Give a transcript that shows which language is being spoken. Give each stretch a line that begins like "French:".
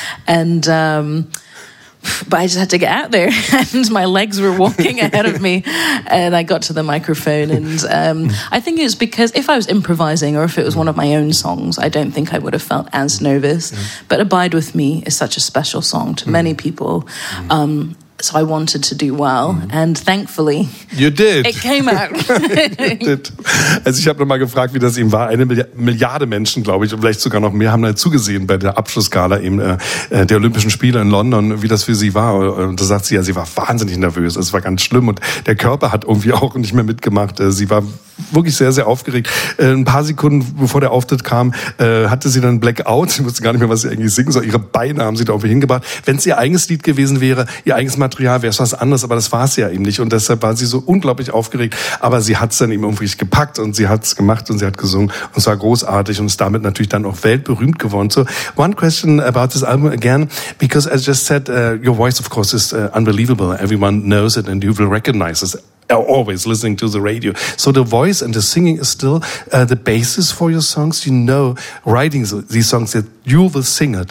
English: And but I just had to get out there, and my legs were walking ahead of me, and I got to the microphone, and I think it was because if I was improvising or if it was one of my own songs, I don't think I would have felt as nervous. Yeah. But Abide With Me is such a special song to many people. So I wanted to do well, and thankfully... You did. It came out. You did.
German: Also ich habe nochmal gefragt, wie das eben war. Eine Milliarde Menschen, glaube ich, vielleicht sogar noch mehr, haben da zugesehen bei der Abschlussgala eben der Olympischen Spiele in London, wie das für sie war. Und da sagt sie ja, sie war wahnsinnig nervös. Es war ganz schlimm und der Körper hat irgendwie auch nicht mehr mitgemacht. Sie war wirklich sehr, sehr aufgeregt. Ein paar Sekunden, bevor der Auftritt kam, hatte sie dann Blackout. Sie wusste gar nicht mehr, was sie eigentlich singen soll. Ihre Beine haben sie da irgendwie hingebracht. Wenn es ihr eigenes Lied gewesen wäre, ihr eigenes Material wäre es was anderes, aber das war es ja eben nicht. Und deshalb war sie so unglaublich aufgeregt. Aber sie hat es dann eben irgendwie gepackt und sie hat es gemacht und sie hat gesungen. Und es war großartig und ist damit natürlich dann auch weltberühmt geworden.
English: So, one question about this album again, because as I just said, your voice of course is unbelievable. Everyone knows it and you will recognize it. Always listening to the radio. So the voice and the singing is still the basis for your songs. You know, writing these songs, that you will sing it.